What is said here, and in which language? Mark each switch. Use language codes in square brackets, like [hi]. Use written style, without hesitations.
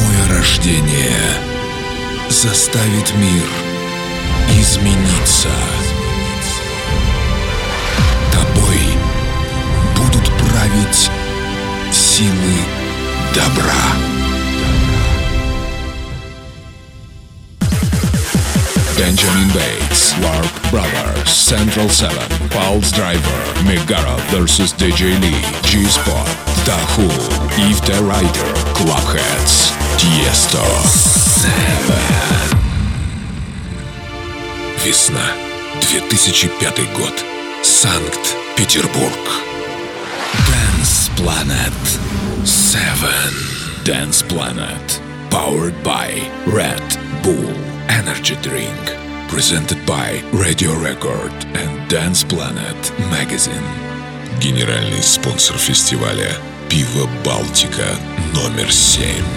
[ru] Рождение заставит мир измениться. Тобой будут править силы добра. [en] Бенджамин Бейтс, Warp Brothers, Central 7, Pulse Driver, Megara vs. DJ Lee, G-Spot, Da Who, Eve the Rider, Clubheads, Tiesto. 7. [ru] Весна, 2005 год, Санкт-Петербург. [en] Dance Planet 7. Dance Planet, powered by Red Bull Energy Drink. Presented by Radio Record and Dance Planet Magazine. [ru] Генеральный спонсор фестиваля — пиво «Балтика» номер 7.